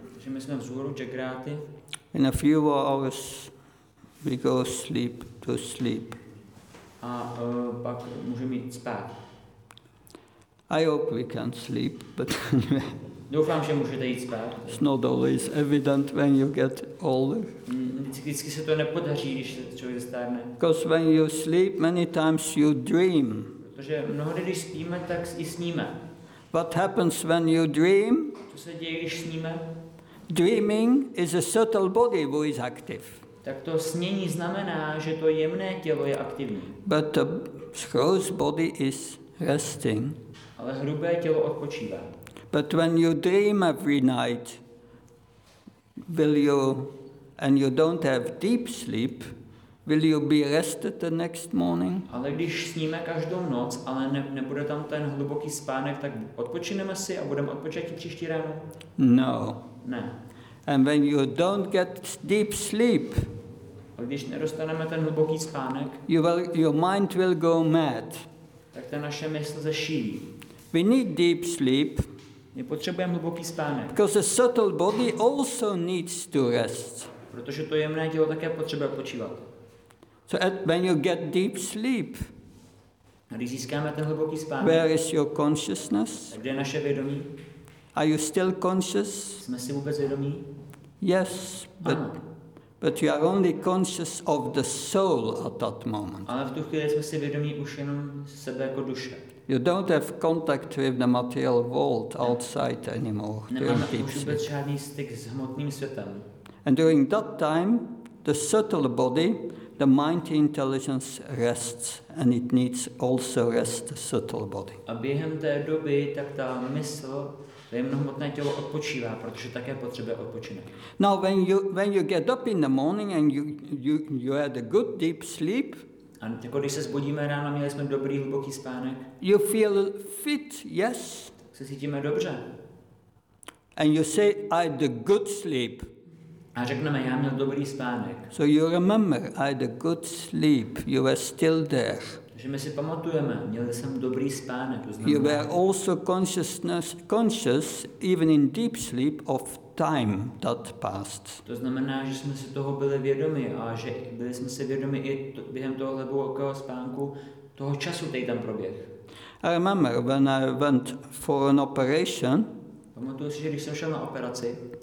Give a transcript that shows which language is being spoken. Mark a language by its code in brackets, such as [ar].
[cs] Že my jsme vzhůru, chakrati. [en] In a few hours we go sleep to sleep. [cs] A pak můžeme jít spát. [en] I hope we can sleep, but [cs] doufám, že můžete jít spát. [en] It's not always evident when you get older. [cs] Vždycky se to nepodaří, když člověk stárne. [en] Because when you sleep, many times you dream. [cs] Protože mnohdy, když spíme, tak i sníme. [en] What happens when you dream? [cs] Co se děje, když sníme? [en] Dreaming is a subtle body who is active. [cs] Tak to snění znamená, že to jemné tělo je aktivní. [en] But the gross body is resting. [cs] Ale hrubé tělo odpočívá. [en] But when you dream every night, will you, and you don't have deep sleep, will you be rested the next morning? [cs] Ale když sníme každou noc, ale nebude tam ten hluboký spánek, tak odpočineme si a budeme odpočatí příští ráno? [en] No. [cs] Ne. [en] And when you don't get deep sleep, [cs] a když nedostaneme ten hluboký spánek, [en] your mind will go mad. [cs] Tak ta naše mysl zešílí. [en] We need deep sleep. [cs] My potřebujeme hluboký spánek. [en] Because the subtle body also needs to rest. [cs] Protože to jemné tělo také potřebuje odpočívat. [en] So when you get deep sleep, [cs] a když získáme ten hluboký spánek, [en] where is your consciousness? [cs] A kde je naše vědomí? [en] Are you still conscious? [cs] Jsme si vůbec vědomí? [en] Yes, but you are only conscious of the soul at that moment. [cs] Ale v tu chvíli jsme si vědomí už jenom sebe jako duše. [en] You don't have contact with the material world outside anymore. [cs] Nemáme už vůbec žádný styk s hmotným světem. [en] And during that time, the subtle body, the mind intelligence rests, and it needs also rest the subtle body. [cs] A během té doby, tak ta mysl, jemnohmotné tělo odpočívá, protože také potřebuje odpočinek. [en] Now when you get up in the morning and you had a good deep sleep. [cs] A jako když se zbudíme ráno, měli jsme dobrý hluboký spánek. [en] You feel fit, yes. [cs] Se cítíme dobře. [en] And you say I had a good sleep. [cs] A řekneme, já měl dobrý spánek. [en] So you remember I had a good sleep. You were still there. [cs] Že my si pamatujeme, měli jsem dobrý spánek. [en] You were also conscious, even in deep sleep, of time that passed. [cs] To znamená, že jsme si toho byli vědomi a že byli jsme si vědomi i během toho hlubokého spánku toho času, který tam proběh. [en] I remember when I went for an operation. [cs] Pamatuju si, že když jsem šel na operaci.